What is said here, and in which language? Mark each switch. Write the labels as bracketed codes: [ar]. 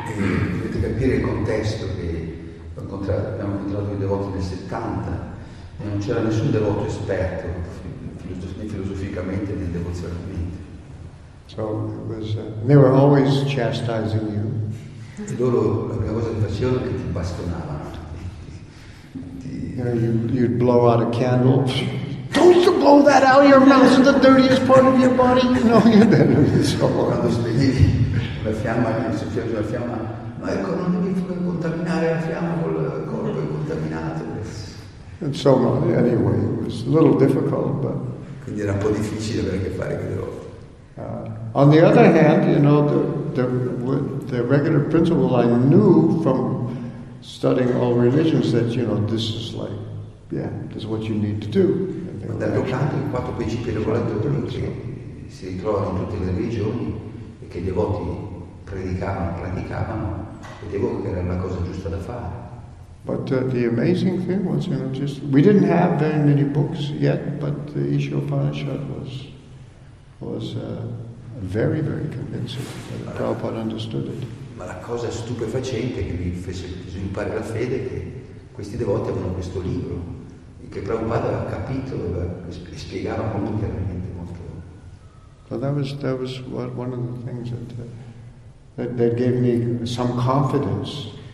[it] Dovete capire il contesto che abbiamo incontrato i devoti nel 70 e non c'era nessun devoto esperto né filosoficamente né devozionalmente. [en] So it was, they were always chastising you. [it] E loro la prima cosa che facevano è che ti bastonavano. [en] You know, you'd blow out a candle. Don't you blow that out of your mouth, the dirtiest part of your body? No, you didn't. [it] Quando spegnevi la fiamma, mi soffiavi la fiamma. Ma ecco, non devi contaminare la fiamma con il corpo contaminato. [en] And so on. Anyway, it was a little difficult, but. [it] Quindi era un po' difficile avere a che fare con loro. [en] On the other hand, you know, the regular principle I knew from studying all religions that, you know, this is like, yeah, this is what you need to do. [it] D'altro canto, i quattro principi regolatori che si ritrovano in tutte le religioni e che i devoti predicavano, praticavano, vedevo che era la cosa giusta da fare. [en] But the amazing thing was, you know, just, we didn't have very many books yet, but the Isha Upanishad was very, very convincing that Prabhupada understood it. [it] Ma la cosa stupefacente che mi fece sviluppare la fede è che questi devoti avevano questo libro e che Prabhupada aveva capito e spiegava molto chiaramente, molto. [en] So that was one of the things that gave me some confidence.